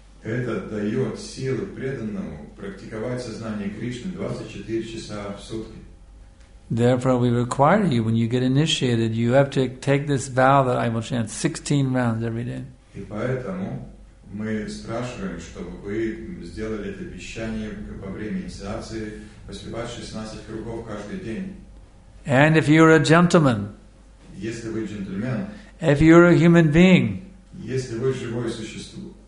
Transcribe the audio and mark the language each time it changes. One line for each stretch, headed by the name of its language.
Russian: Это дает силы преданному практиковать сознание Кришны 24 часа в сутки.
English: Therefore, we require you, when you get initiated, you have to take this vow that I will chant 16 rounds every day.
Russian: И поэтому мы спрашиваем, чтобы вы сделали это обещание во время инициации, поспевать 16 кругов каждый день.
English: And if you're a gentleman,
Russian: если вы джентльмен,
English: if you're a human being,
Russian: если вы живое существо,